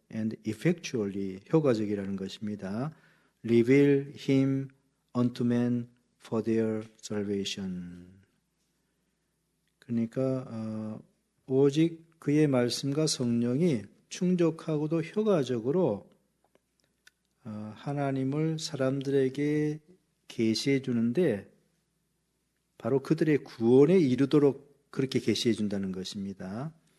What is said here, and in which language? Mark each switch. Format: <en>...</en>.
<en>and effectually</en> <ko>효과적이라는 것입니다.</ko> <en>reveal him unto men for their salvation.</en> <ko>그러니까 오직 그의 말씀과 성령이 충족하고도 효과적으로 하나님을 사람들에게 계시해 주는데 바로 그들의 구원에 이르도록 그렇게 계시해 준다는 것입니다.</ko>